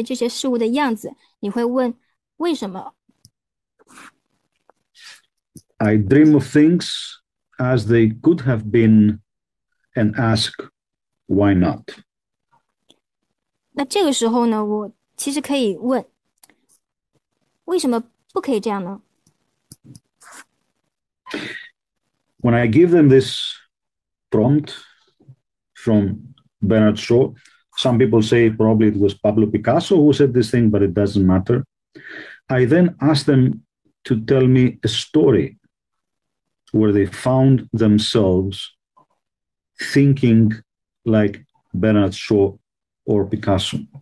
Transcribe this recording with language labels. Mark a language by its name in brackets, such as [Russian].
[Chinese] 然后就是你看到就是一些事物，看见这些事物的样子，你会问为什么？ [English] I dream of things as they could have been and ask why not. [Chinese] 那这个时候呢，我其实可以问，为什么不可以这样呢？ [English] When I give them this prompt from Bernard Shaw, some people say probably it was Pablo Picasso who said this thing, but it doesn't matter. I then ask them to tell me a story where they found themselves thinking like Bernard Shaw or Picasso.